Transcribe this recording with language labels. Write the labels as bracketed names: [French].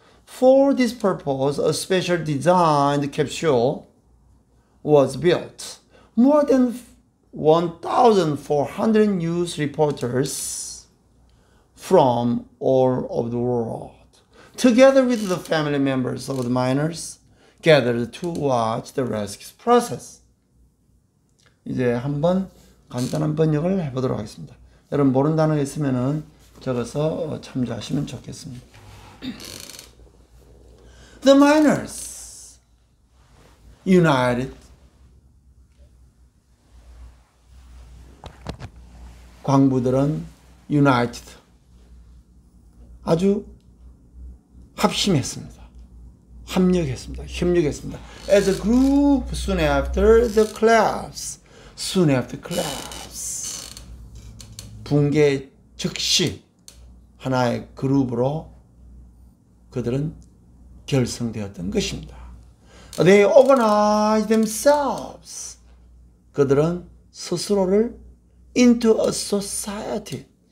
[English] For this purpose, a special designed capsule was built. More than 1,400 news reporters from all over the world, together with the family members of the miners, gathered to watch the rescue process. [Korean] 이제 한번 간단한 번역을 해보도록 하겠습니다. 여러분 모르는 단어 있으면은 적어서 참조하시면 좋겠습니다. [English] The miners united. [Korean] 광부들은 united. 아주 합심했습니다. 합력했습니다. 협력했습니다. [English] As a group, soon after the collapse, soon after collapse. [Korean] 붕괴 즉시 하나의 그룹으로 그들은 결성되었던 것입니다. [English] They organized themselves. [Korean] 그들은 스스로를 [English] into a society.